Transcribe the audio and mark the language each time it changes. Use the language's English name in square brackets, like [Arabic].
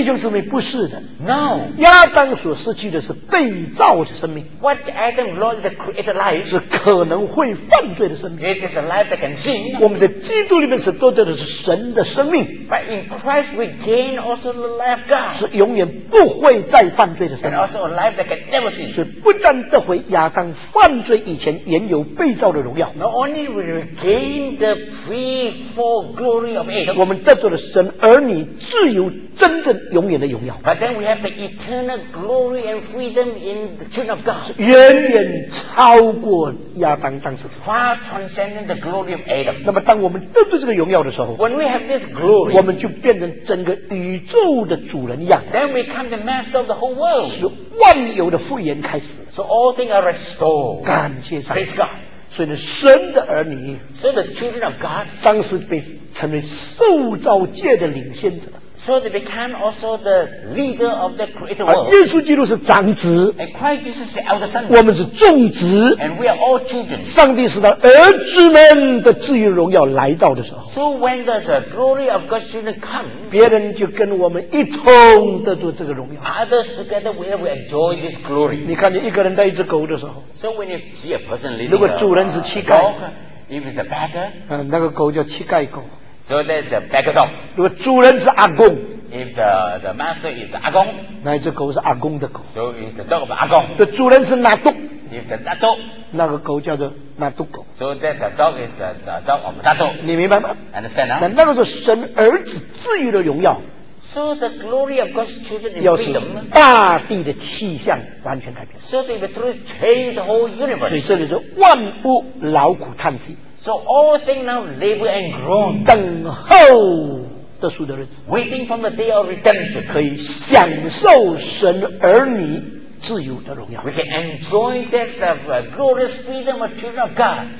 [Chinese] 弟兄姊妹不是的 [English] No [Chinese] 亚当所失去的是被造的生命 [English] What Adam lost is a created life [Chinese] 是可能会犯罪的生命 [English] It is a life that can sin [Chinese] 我们在基督里面所得的是神的生命 [English] But in Christ we gain also the life of God [Chinese] 是永远不会再犯罪的生命 [English] And also a life that can never sin [Chinese] 所以不但这回亚当犯罪以前原有被造的荣耀 [English] Not only we regain the pre-fall glory of Adam [Chinese] 我们得着了神儿女自由真正永远的荣耀 [English] But then we have the eternal glory and freedom in the children of God [Chinese] 远远超过亚当当时 [English] Far transcending the glory of Adam [Chinese] 那么当我们得着这个荣耀的时候 [English] When we have this glory [Chinese] 我们就变成整个宇宙的主人一样 [English] Then we become the master of the whole world [Chinese] 是万有的复原开始 [English] So all things are restored [Chinese] 感谢上帝 [English] Praise God [Chinese] 所以神的儿女 [English] So the children of God [Chinese] 当时被成为受造界的领先者 [English] So they became also the leader of the created world [Chinese] 耶稣基督是长子 [English] And Christ Jesus is the elder son [Chinese] 我们是众子 [English] And we are all children [Chinese] 上帝使他儿子们的自由荣耀来到的时候 [English] So when the glory of God's children come [Chinese] 别人就跟我们一同得到这个荣耀 [English] Others together we will enjoy this glory [Chinese] 你看见一个人带一只狗的时候 [English] So when you see a person leading [Chinese] 如果主人是乞丐 [English] If it's a beggar [Chinese] 那个狗叫乞丐狗 [English] So there's a beggar dog. [Chinese] 如果主人是阿公 [English] If the master is 阿公 [Chinese] 那一只狗是阿公的狗 [English] So it's the dog of 阿公 [Chinese] 如果主人是纳杜 [English] If the 纳杜 [Chinese] 那个狗叫做纳杜狗 [English] So that the dog is the dog of 纳杜 [Chinese] 你明白吗 [English] Understand 那、huh? [Chinese] 那个是神儿子自由的荣耀 [English] So the glory of God's children in freedom [Chinese] 大地的气象完全改变 [English] So they will truly change the whole universe [Chinese] 所以这里是万物劳苦叹息 [English] So all things now labor and groan. [Chinese] 等候的数的日子 [English] Waiting from the day of redemption. [Chinese] 可以享受神儿女自由的荣耀。 [English] We can enjoy this of glorious freedom of children of God.